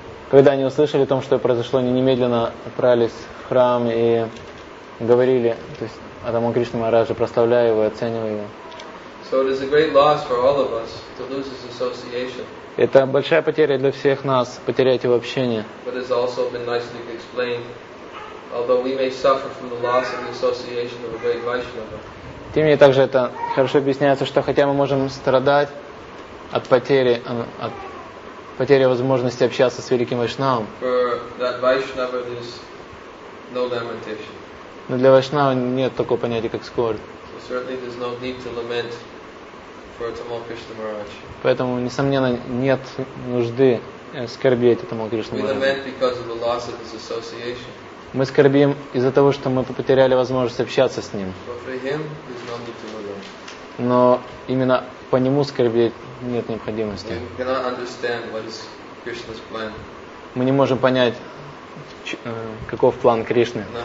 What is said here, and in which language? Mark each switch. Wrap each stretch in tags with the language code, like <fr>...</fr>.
<ru>Когда они услышали о том, что произошло, они немедленно отправились в храм и говорили, то есть о Тамал Кришна Махараджа, прославляя его и оценивая его.</ru> <en>So it is a great loss for all of us to lose this association.</en> <ru>Это большая потеря для всех нас, потерять его общение.</ru> <en>But it's also been nicely explained, although we may suffer from the loss of the association of a great Vaishnava.</en> <ru>Тем не менее, также это хорошо объясняется, что хотя мы можем страдать от потери возможности общаться с великим Вайшнавом.</ru> <en>For that Vaishnava, there's no lamentation.</en> <ru>Но для Вайшнава нет такого понятия, как скорбь.</ru> <en>Certainly, there's no need to lament for Tamal Krishna Maharaj.</en> <ru>Поэтому, несомненно, нет нужды скорбеть о Тамал Кришна Махараджа.</ru> <en>We lament because of the loss of his association.</en> <ru>Мы скорбим из-за того, что мы потеряли возможность общаться с ним.</ru> <en>But for him, there's no need to lament.</en> <ru>Но именно по нему скорбеть нет необходимости.</ru> <en>We cannot understand what is Krishna's plan.</en> <ru>Мы не можем понять, каков план Кришны.</ru>